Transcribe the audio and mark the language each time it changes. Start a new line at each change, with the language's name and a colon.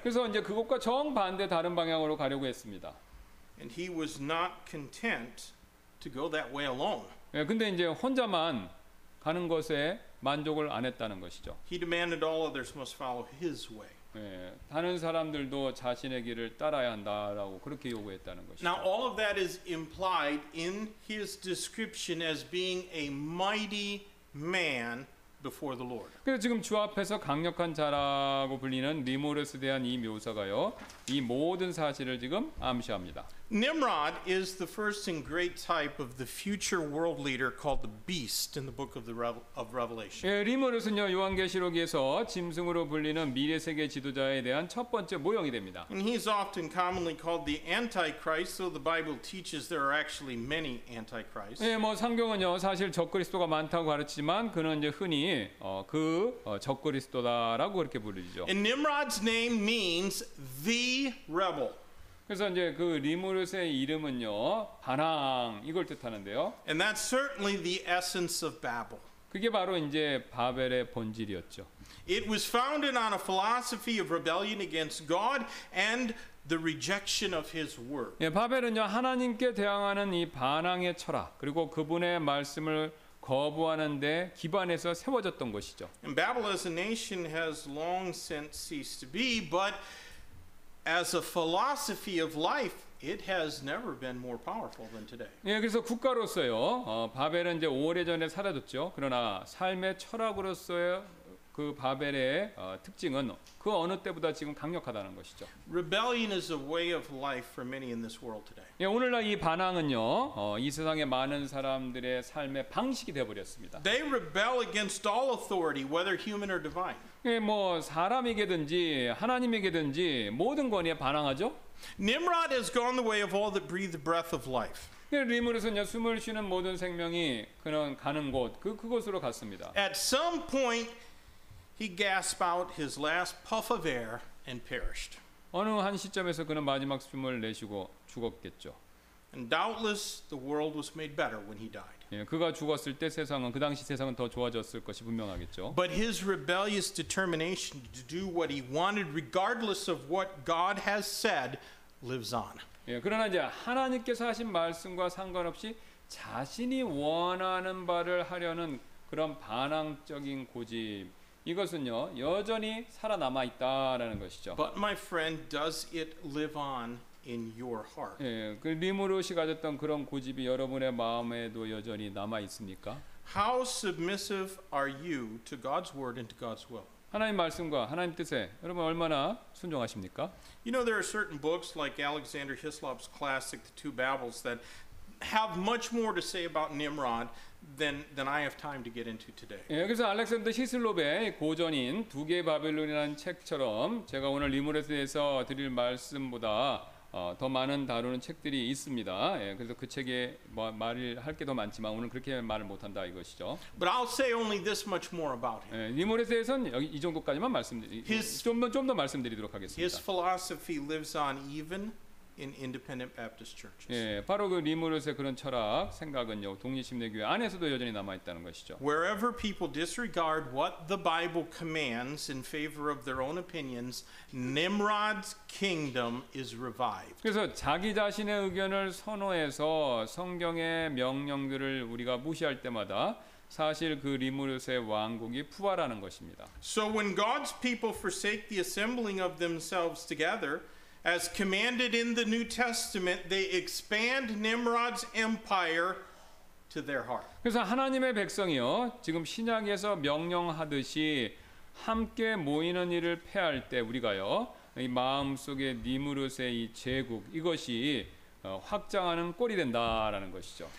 Korean: 그래서 이제 그것과 정반대 다른 방향으로 가려고 했습니다.
English: And he was not content to go that way alone.
Korean: 예, 근데 이제 혼자만 가는 것에 만족을 안 했다는 것이죠.
English: He demanded all others must follow his way.
Korean: 예, 다른 사람들도 자신의 길을 따라야 한다라고 그렇게 요구했다는 것이죠.
English: Now all of that is implied in his description as being a mighty man before the Lord.
Korean: 그래서 지금 주 앞에서 강력한 자라고 불리는 니므로스에 대한 이 묘사가요. 이 모든 사실을 지금 암시합니다.
English: Nimrod is the first and great type of the future world leader called the beast in the book of the Revelation.
Korean: 예, 리무르스는요, 요한계시록에서 짐승으로 불리는 미래 세계 지도자에 대한 첫 번째 모형이 됩니다.
English: And he's often commonly called the Antichrist, so the Bible teaches there are actually many Antichrists.
Korean: 예, 뭐 성경은요, 사실 적그리스도가 많다고 가르치지만 그는 이제 흔히 그 적그리스도다라고 그렇게 부르죠.
English: And Nimrod's name means the rebel.
Korean: 그래서 이제 그 리무르스의 이름은요 반항 이걸 뜻하는데요.
English: And that's certainly the essence of Babel.
Korean: 그게 바로 이제 바벨의 본질이었죠.
English: It was founded on a philosophy of rebellion against God and the rejection of His word.
Korean: 예, 바벨은요 하나님께 대항하는 이 반항의 철학 그리고 그분의 말씀을 거부하는데 기반해서 세워졌던 것이죠.
English: And Babel as a nation has long since ceased to be, but as a philosophy of life, it has never been more powerful than today.
Korean: 예, 그래서 국가로서요, 바벨은 이제 오래전에 사라졌죠. 그러나 삶의 철학으로서의 그 바벨의 특징은 그 어느 때보다 지금 강력하다는 것이죠.
English: Rebellion is a way of life for many in this world today.
Korean: 예, 오늘날 이 반항은요, 이 세상의 많은 사람들의 삶의 방식이 되어버렸습니다.
English: They rebel against all authority, whether human or divine.
Korean: 예, 뭐 사람에게든지 하나님에게든지 모든 권위에 반항하죠.
English: Nimrod has gone the way of all that breathe the breath of life.
Korean: 예, 리무르스는 숨을 쉬는 모든 생명이 그는 가는 곳 그곳으로 갔습니다.
English: At some point he gasped out his last puff of air and perished.
Korean: 어느 한 시점에서 그는 마지막 숨을 내쉬고 죽었겠죠.
English: And doubtless the world was made better when he died.
Korean: 예, 그가 죽었을 때 세상은 그 당시 세상은 더 좋아졌을 것이 분명하겠죠.
English: But his rebellious determination to do what he wanted regardless of what God has said lives on.
Korean: 예, 그러나 이제 하나님께서 하신 말씀과 상관없이 자신이 원하는 바를 하려는 그런 반항적인 고집 이것은요 여전히 살아남아 있다라는 것이죠.
English: But my friend, does it live on in your heart?
Korean: 예, 그 리무르시 가졌던 그런 고집이 여러분의 마음에도 여전히 남아 있습니까?
English: How submissive are you to God's word and to God's will?
Korean: 하나님 말씀과 하나님 뜻에 여러분 얼마나 순종하십니까?
English: You know there are certain books like Alexander Hislop's classic The Two Babels that have much more to say about Nimrod than I have time to get into today.
Korean: 예, 그래서 알렉산더 히슬롭의 고전인 두 개의 바벨론이라는 책처럼 제가 오늘 리무르스에 대해서 드릴 말씀보다 더 많은 다루는 책들이 있습니다. 예, 그래서 그 책에 뭐 말을 할 게 더 많지만 오늘 그렇게 말을 못 한다 이것이죠.
English: But I'll say only this much more about him.
Korean: 예, 리무르스에서는 여기 이 정도까지만 좀 더 말씀드리도록 하겠습니다.
English: His philosophy lives on even in independent Baptist churches.
Korean: 예, 바로 그 리무르스의 그런 철학 생각은요 독립침례교회 안에서도 여전히 남아 있다는 것이죠.
English: Wherever people disregard what the Bible commands in favor of their own opinions, Nimrod's kingdom is revived.
Korean: 그래서 자기 자신의 의견을 선호해서 성경의 명령들을 우리가 무시할 때마다 사실 그 리무르스의 왕국이 부활하는 것입니다.
English: So when God's people forsake the assembling of themselves together, as commanded in the New Testament, they expand Nimrod's empire to their heart.
Korean: 그래서 하나님의 백성이요, 지금 신약에서 명령하듯이 함께 모이는 일을 폐할 때 우리가요, 이 마음속에 니므롯의 이 제국 이것이 확장하는 꼴이 된다라는 것이죠.